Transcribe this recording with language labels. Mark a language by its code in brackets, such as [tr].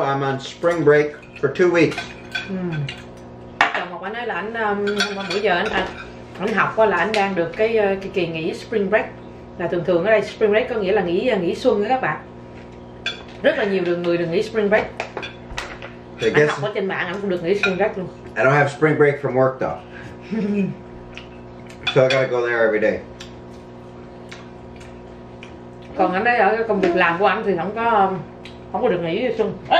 [en] I'm on spring break for 2 weeks. [vi] Chồng Ngọc anh nói là anh hôm bữa giờ anh học là anh đang được cái kỳ nghỉ spring break. Là thường thường ở đây spring break có nghĩa là nghỉ xuân đó các bạn. Rất là nhiều người được nghỉ spring break. Anh học ở trên mạng anh cũng được nghỉ spring break luôn. [en] I don't have spring break from work though. So I gotta go there every day. [vi] Còn anh ấy ở cái công việc làm của anh thì không có được nghỉ xuân.